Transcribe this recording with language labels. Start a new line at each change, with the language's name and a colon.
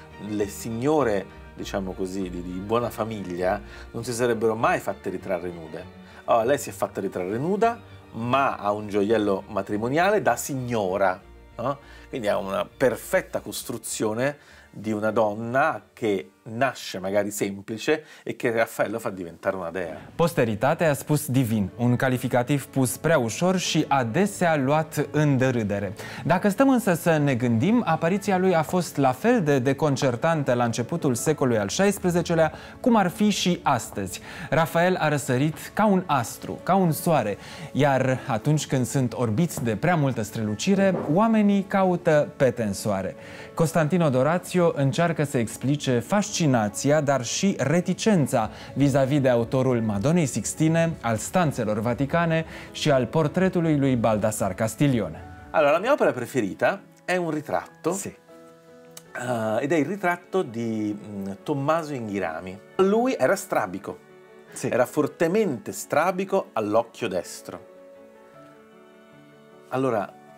Italian: Le signore, diciamo così, di buona famiglia non si sarebbero mai fatte ritrarre nude. Allora, lei si è fatta ritrarre nuda, ma ha un gioiello matrimoniale da signora, no? Quindi ha una perfetta costruzione di una donna che nasce magari semplice e che Raffaello fa diventare una dea.
Romanian: Posteritatea a spus divin, un calificativ pus prea ușor și adesea luat în derâdere. Dacă stăm însă să ne gândim, apariția lui a fost la fel de deconcertantă la începutul secolului al XVI-lea cum ar fi și astăzi. Rafael a răsărit ca un astru, ca un soare, iar atunci când sunt orbiți de prea multă strălucire, oamenii caută pete în soare. Constantino Dorazio încearcă să explice fascinația, dar și reticența vis-a-vis de autorul Madonei Sixtine, al Stanțelor Vaticane și al portretului lui Baldassar Castiglione.
Italian: Allora, la mia opera preferita è un ritratto. Sì. Ed è il ritratto di Tommaso Inghirami. Lui era strabico. Sì. Era fortemente strabico all'occhio destro. Allora,